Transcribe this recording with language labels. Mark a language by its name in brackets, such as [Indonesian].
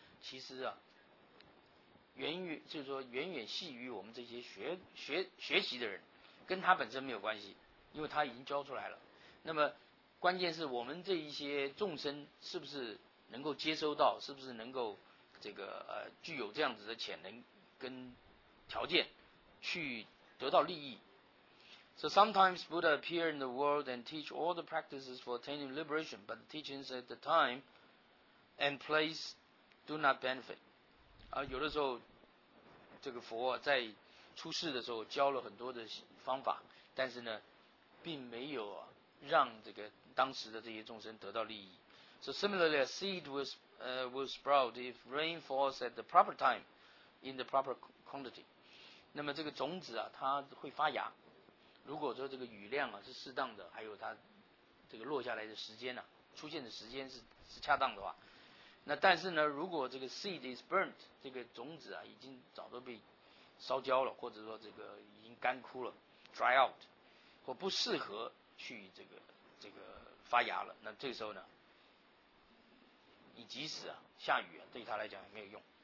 [Chinese] 其实啊，远远系于我们这些学习的人，跟他本身没有关系，因为他已经教出来了。那么关键是我们这一些众生是不是？能够接收到，是不是能够这个具有这样子的潜能跟条件去得到利益。 [English] So sometimes Buddha appear in the world and teach all the practices for attaining liberation, but the teachings at the time and place do not benefit. [Chinese] 有的时候这个佛在出世的时候教了很多的方法，但是呢并没有让这个当时的这些众生得到利益。 [English] So similarly, a seed will sprout if rain falls at the proper time, in the proper quantity. [Chinese] 那么这个种子啊，它会发芽。如果说这个雨量啊是适当的，还有它这个落下来的时间呢、啊，出现的时间是恰当的话，那但是呢，如果这个 [English] seed is burnt， [Chinese] 这个种子啊已经早都被烧焦了，或者说这个已经干枯了 ， [English] dry out， [Chinese] 或不适合去这个发芽了，那这个时候呢，你即使啊下雨啊，对他来讲也没有用。